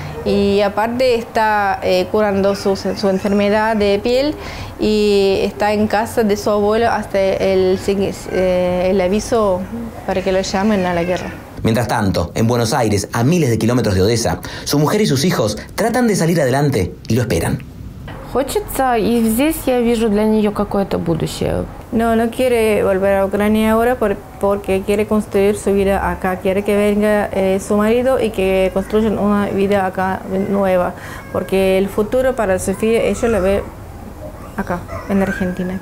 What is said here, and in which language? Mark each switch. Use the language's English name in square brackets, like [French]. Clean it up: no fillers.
[Spanish] Y aparte está curando su enfermedad de piel y está en casa de su abuelo hasta el aviso para que lo llamen a la guerra. Mientras tanto, en Buenos Aires, a miles de kilómetros de Odessa, su mujer y sus hijos tratan de salir adelante y lo esperan. [Russian] Хочется, и здесь я вижу для нее какое-то будущее. [Spanish] No quiere volver a Ucrania ahora porque quiere construir su vida acá. Quiere que venga su marido y que construyan una vida acá nueva. Porque el futuro para Sofía, ella lo ve acá, en Argentina.